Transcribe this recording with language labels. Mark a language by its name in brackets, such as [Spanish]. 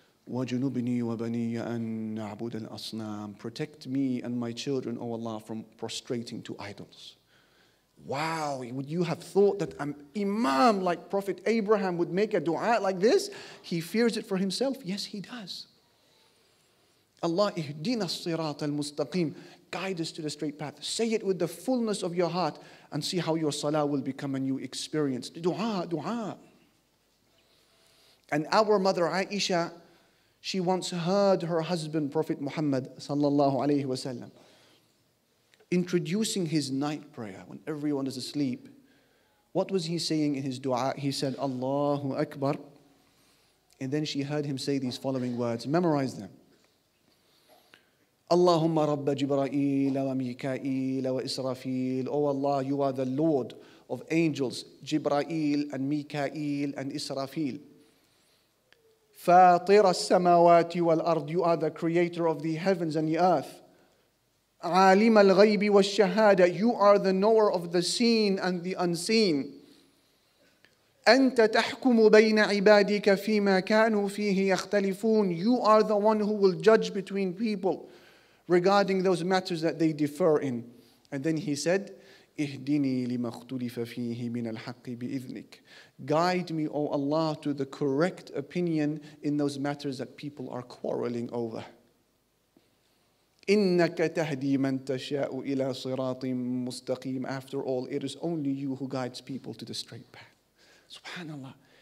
[Arabic] وَجُنُبْنِي وَبَنِيَ أَن نَعْبُدَ الْأَصْنَامِ. [English] Protect me and my children, O Allah, from prostrating to idols. Wow, would you have thought that an imam like Prophet Abraham would make a dua like this? He fears it for himself. Yes, he does. [Arabic] Allah, اِهْدِنَا الصِّرَاطَ الْمُسْتَقِيمِ. [English] Guide us to the straight path. Say it with the fullness of your heart and see how your salah will become a new experience. Dua, dua. And our mother Aisha, she once heard her husband, Prophet Muhammad sallallahu alayhi wa sallam, introducing his night prayer when everyone is asleep. What was he saying in his dua? He said, Allahu Akbar. And then she heard him say these following words. Memorize them. [Arabic] Allahumma Rabb Jibra'il wa Mika'il wa Israfil. [English] Oh Allah, you are the Lord of angels, Jibra'il and Mika'il and Israfil. [Arabic] فاطر السماوات والأرض. [English] You are the creator of the heavens and the earth. [Arabic] عالم الغيب والشهادة. [English] You are the knower of the seen and the unseen. [Arabic] أنت تحكم بين عبادك فيما كانوا فيه يختلفون. [English] You are the one who will judge between people regarding those matters that they differ in. And then he said, [Arabic] اهدني لما اختلف فيه من الحق بإذنك. [English] Guide me, O Allah, to the correct opinion in those matters that people are quarreling over. [Arabic] إِنَّكَ تَهْدِي مَن تَشَاءُ إِلَىٰ صِرَاطٍ مُسْتَقِيمٍ. [English] After all, it is only you who guides people to the straight path. Subhanallah.